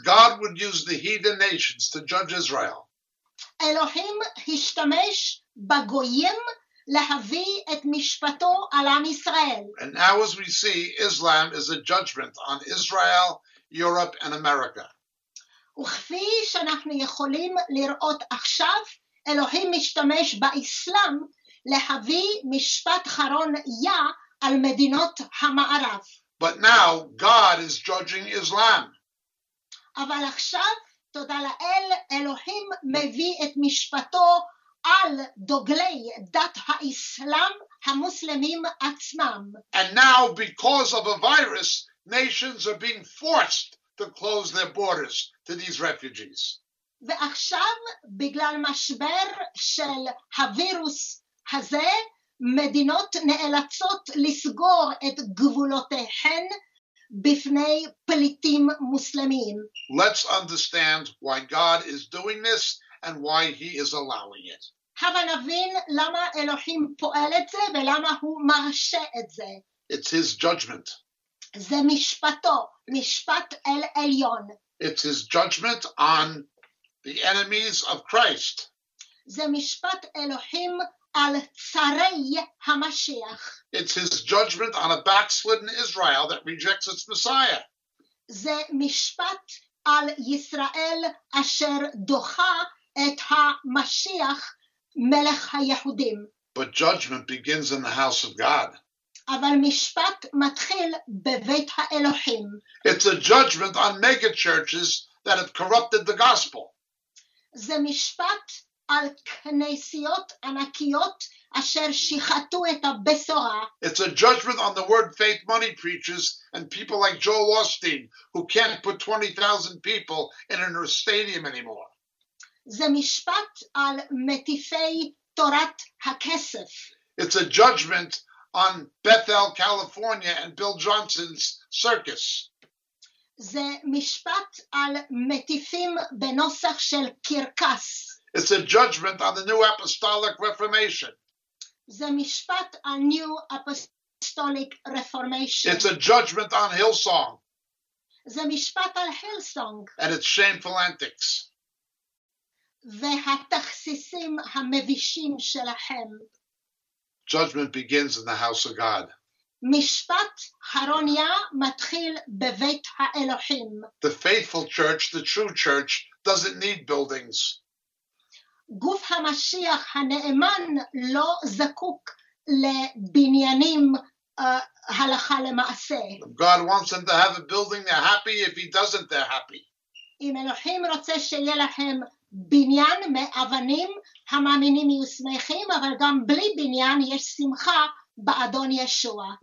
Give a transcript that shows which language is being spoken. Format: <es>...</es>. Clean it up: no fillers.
<en>God would use the heathen nations to judge Israel.</en> <he>אלוהים השתמש בגויים להביא את משפטו על עם ישראל.</he> <en>And now as we see, Islam is a judgment on Israel, Europe and America.</en> <he>וכפי שאנחנו יכולים לראות עכשיו, אלוהים משתמש באסלאם להביא משפט חרון יה על מדינות המערב.</he> <en>But now God is judging Islam.</en> <he>אבל עכשיו, תודה לאל, אלוהים מביא את משפטו על דוגלי דת האסלאם המוסלמים עצמם.</he> <en>And now because of a virus, nations are being forced to close their borders to these refugees.</en> <he>ועכשיו, בגלל משבר של הווירוס הזה, מדינות נאלצות לסגור את גבולותיהן בפני פליטים מוסלמים.</he> <en>Let's understand why God is doing this and why he is allowing it.</en> <he>הבה נבין למה אלוהים פועל את זה ולמה הוא מרשה את זה.</he> <en>It's his judgment.</en> <he>זה משפטו, משפט אל עליון.</he> <en>It's his judgment on the enemies of Christ.</en> <he>זה משפט אלוהים על צרי המשיח.</he> <en>It's his judgment on a backslidden Israel that rejects its Messiah.</en> <he>זה משפט על ישראל אשר דוחה את המשיח, מלך היהודים.</he> <en>But judgment begins in the house of God.</en> <he>אבל משפט מתחיל בבית האלוהים.</he> <en>It's a judgment on mega churches that have corrupted the gospel.</en> <he>זה משפט על כנסיות ענקיות אשר שיחתו את הבשורה.</he> <en>It's a judgment on the word faith money preachers and people like Joel Osteen who can't put 20,000 people in a stadium anymore.</en> <he>זה משפט על מטיפי תורת הכסף.</he> <en>It's a judgment on Bethel, California and Bill Johnson's circus.</en> <he>זה משפט על מטיפים בנוסח של קרקס.</he> <en>It's a judgment on the New Apostolic Reformation.</en> <he>זה משפט על New Apostolic Reformation.</he> <en>It's a judgment on Hillsong.</en> <he>זה משפט על Hillsong.</he> <en>And its shameful antics.</en> <he>והתכסיסים המבישים שלהם.</he> <en>Judgment begins in the house of God.</en> <he>משפט הרוניה מתחיל בבית האלוהים.</he> <en>The faithful church, the true church, doesn't need buildings.</en> <he>גוף המשיח הנאמן לא זקוק לבניינים הלכה למעשה.</he> <en>God wants them to have a building, they're happy. If he doesn't, they're happy.</en> <he>אם אלוהים רוצה שיהיה להם בניין מאבנים, המאמינים יהיו שמחים, אבל גם בלי בניין יש שמחה באדון ישוע.</he>